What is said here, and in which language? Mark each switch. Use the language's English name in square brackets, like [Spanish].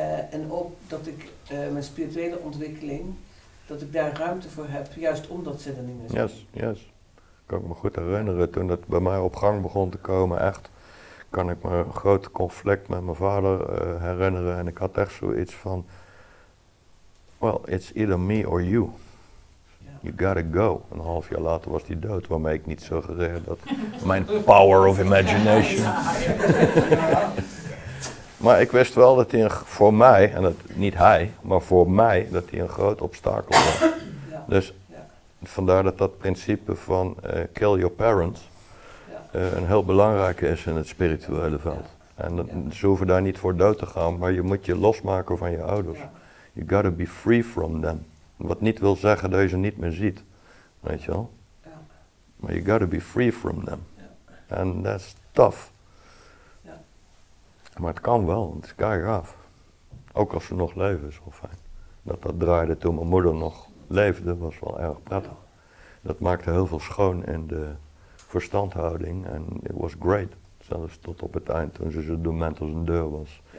[Dutch] En ook dat ik mijn spirituele ontwikkeling, dat ik daar ruimte voor heb, juist omdat ze er niet meer zijn. [English] Yes, yes. [Dutch] Kan ik me goed herinneren, toen dat bij mij op gang begon te komen, echt, kan ik me een groot conflict met mijn vader herinneren. En ik had echt zoiets van, well, [English] it's either me or you. Yeah. You gotta go. [Dutch] Een half jaar later was hij dood, waarmee ik niet suggereerde dat mijn [English] power of imagination... [Dutch] Maar ik wist wel dat hij voor mij, en dat, niet hij, maar voor mij, dat hij een groot obstakel was. Ja. Dus vandaar dat principe van [English] kill your parents [Dutch] een heel belangrijke is in het spirituele veld. En ze hoeven daar niet voor dood te gaan, maar je moet je losmaken van je ouders. Ja. [English] You gotta be free from them. [Dutch] Wat niet wil zeggen dat je ze niet meer ziet, weet je wel. Ja. Maar [English] you gotta be free from them. [Dutch] Ja. [English] And that's tough. [Dutch] Maar het kan wel, het is keigaaf. Ook als ze nog leven, is wel fijn. Dat draaide toen mijn moeder nog leefde, was wel erg prettig. Dat maakte heel veel schoon in de verstandhouding. En [English] it was great. [Dutch] Zelfs tot op het eind, toen ze zo dement als een deur was.